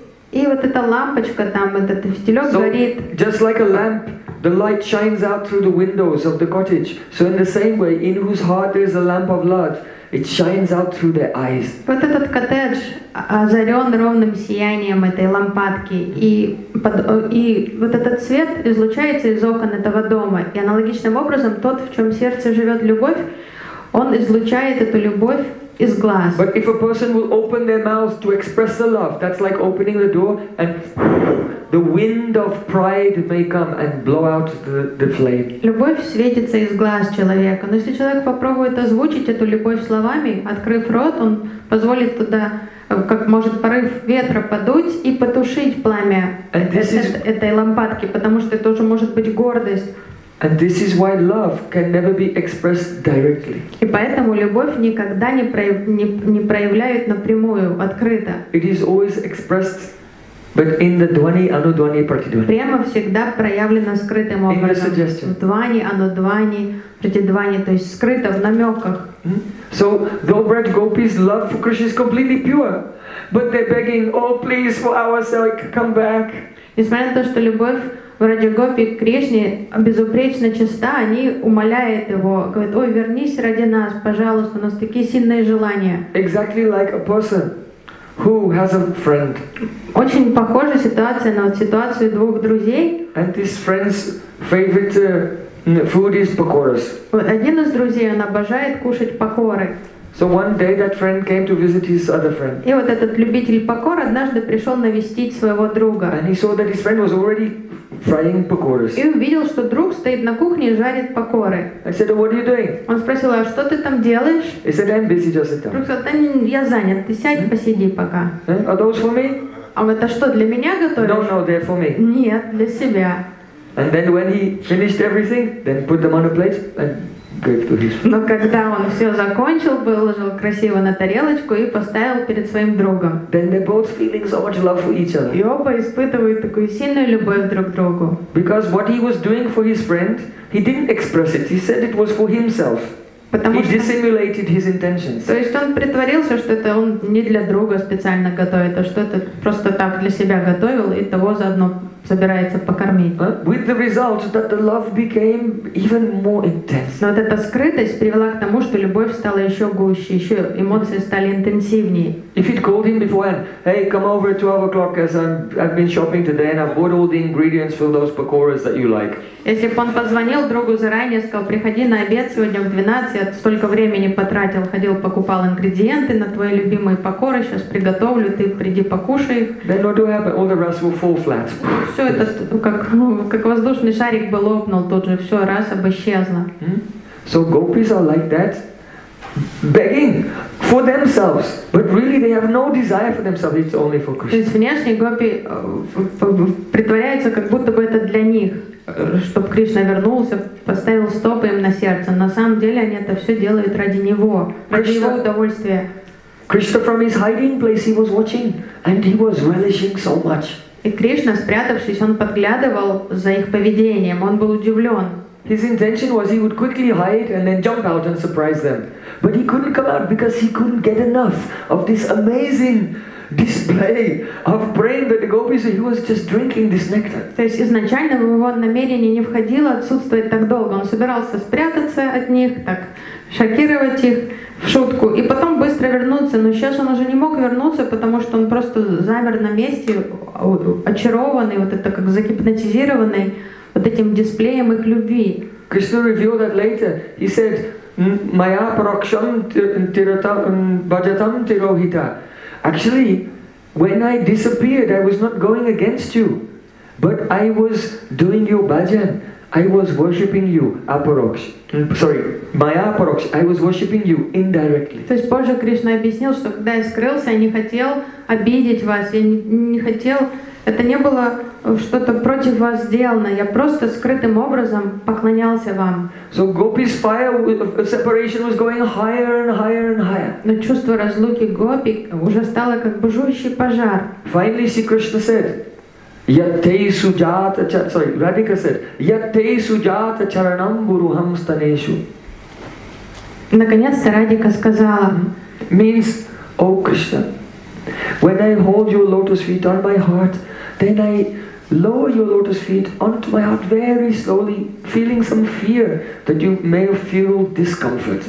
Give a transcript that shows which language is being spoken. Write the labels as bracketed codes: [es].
[ru] И вот эта лампочка там, этот фитилек горит. [en] Just like a lamp, the light shines out through the windows of the cottage. So in the same way, in whose heart there is a lamp of love, it shines out through their eyes. [ru] Вот этот коттедж озарен ровным сиянием этой лампадки, и вот этот свет излучается из окон этого дома. И аналогичным образом тот, в чем сердце живет любовь, он излучает эту любовь. [en] But if a person will open their mouth to express the love, that's like opening the door, and the wind of pride may come and blow out the flame. [ru] Любовь светится из глаз человека, но если человек попробует озвучить эту любовь словами, открыв рот, он позволит туда, как может порыв ветра подуть и потушить пламя этой лампадки, потому что это уже может быть гордость. [en] And this is why love can never be expressed directly. [ru] И поэтому любовь никогда не проявляют напрямую, открыто. [en] It is always expressed, but in the dvani, anudvani, pratidvani. [ru] Према всегда проявлена скрытым образом. В двани, анудвани, пратидвани, то есть скрыто в намеках. [en] So though Braj gopis love for Krishna is completely pure, but they're begging, oh please, for our sake, come back. [ru] Несмотря на то, что любовь Ради гопи Кришне безупречно чиста, они умоляют его, говорят, ой, вернись ради нас, пожалуйста, у нас такие сильные желания. [en] Exactly like a person who has a friend. [ru] Очень похожа ситуация на вот ситуацию двух друзей. [en] And this friend's favorite food is pakoras. [ru] Один из друзей, он обожает кушать пакоры. [en] So one day that friend came to visit his other friend. [ru] И вот этот любитель пакор однажды пришел навестить своего друга. [en] And he saw that his friend was already frying pakoras. [ru] И увидел, что друг стоит на кухне и жарит пакоры. [en] I said, what are you doing? [ru] Он спросил, а что ты там делаешь? [en] He said, I'm busy just sitting. [ru] Друг сказал, я занят, ты сядь, посиди пока. [en] Are those for me? [ru] А это что, для меня готовишь? [en] No, they're for me. [ru] Нет, для себя. [en] And then when he finished everything, then put them on a plate and [ru] Но когда он все закончил, выложил красиво на тарелочку и поставил перед своим другом. [en] Then they're both feeling so much love for each other. [ru] И оба испытывают такую сильную любовь друг к другу. [en] Because what he was doing for his friend, he didn't express it. He said it was for himself. [ru] Потому [en] he [ru] что... [en] dissimulated his intentions. [ru] То есть он притворился, что это он не для друга специально готовит, а что это просто так для себя готовил и того заодно собирается покормить. [en] With the result that the love became even more intense. [ru] Но вот эта скрытость привела к тому, что любовь стала еще гуще, еще эмоции стали интенсивнее. [en] If it called him beforehand, hey, come over at 12 o'clock, as I've been shopping today and I've bought all the ingredients for those pakoras that you like. [ru] Если бы он позвонил другу заранее, сказал, приходи на обед сегодня в 12, я столько времени потратил, ходил, покупал ингредиенты на твои любимые пакоры, сейчас приготовлю, ты приди покушай. [en] Then what will happen? All the rest will fall flat. [ru] Все это, как воздушный шарик бы лопнул тут же, все, раз, об исчезло. [en] So gopis are like that, begging for themselves, but really they have no desire for themselves, it's only for Krishna. [ru] То есть внешне гопи притворяются, как будто бы это для них, чтобы Кришна вернулся, поставил стопы им на сердце. На самом деле они это все делают ради него, ради его удовольствия. [en] Krishna from his hiding place he was watching, and he was relishing so much. [ru] И Кришна, спрятавшись, он подглядывал за их поведением, он был удивлен. [en] His intention was he would quickly hide and then jump out and surprise them. But he couldn't come out because he couldn't get enough of this amazing display of brain that the gopis he was just drinking this nectar. [ru] То есть изначально в его намерение не входило отсутствовать так долго. Он собирался спрятаться от них, так шокировать их в шутку и потом быстро вернуться. Но сейчас он уже не мог вернуться, потому что он просто замер на месте, очарованный, вот это как загипнотизированный вот этим дисплеем их любви. [en] Krishna revealed that later. He said, [sa] Maya Parakshan Bhajatam Tirohita. [en] Actually, when I disappeared, I was not going against you, but I was doing your bhajan. I was worshipping you, Aparoksh. Sorry, Maya Aparoksh. I was worshipping you indirectly. [ru] То есть позже Кришна объяснил, что когда я скрылся, я не хотел обидеть вас, я не хотел. Это не было что-то против вас сделано. Я просто скрытым образом поклонялся вам. [en] So Gopi's fire of separation was going higher and higher and higher. [ru] Но чувство разлуки Гопи уже стало как бушующий пожар. [en] Finally, Sri Krishna said. Radhika said, [sa] Yatte sujata charanam guruham staneshu. [ru] Наконец-то Радика сказала. [en] Means, O Krishna, when I hold your lotus feet on my heart, then I lower your lotus feet onto my heart very slowly, feeling some fear that you may feel discomfort.